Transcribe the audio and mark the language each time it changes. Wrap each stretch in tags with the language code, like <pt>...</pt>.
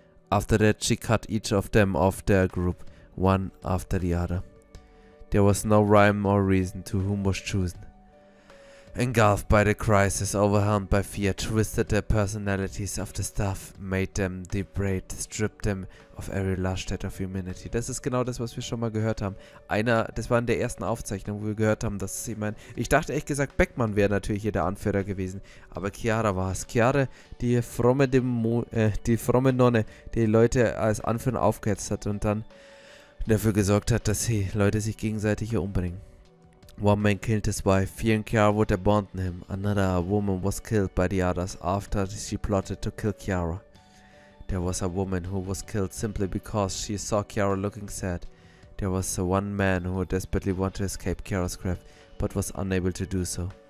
<en>After that, she cut each of them off their group, one after the other. There was no rhyme or reason to whom was chosen. Engulfed by the crisis, overwhelmed by fear, twisted the personalities of the staff, made them depraved, stripped them of every last shred of humanity.</en> <de>Das ist genau das, was wir schon mal gehört haben. Das war in der ersten Aufzeichnung, wo wir gehört haben, dass sie, ich dachte ehrlich gesagt, Beckmann wäre natürlich hier der Anführer gewesen, aber Kiara war es. Kiara, die fromme Nonne, die Leute als Anführer aufgehetzt hat und dann dafür gesorgt hat, dass die Leute sich gegenseitig hier umbringen.</de> <en>One man killed his wife, fearing Kiara would abandon him. Another woman was killed by the others after she plotted to kill Kiara. There was a woman who was killed simply because she saw Kiara looking sad. There was the one man who desperately wanted to escape Kiara's grave, but was unable to do so.</en>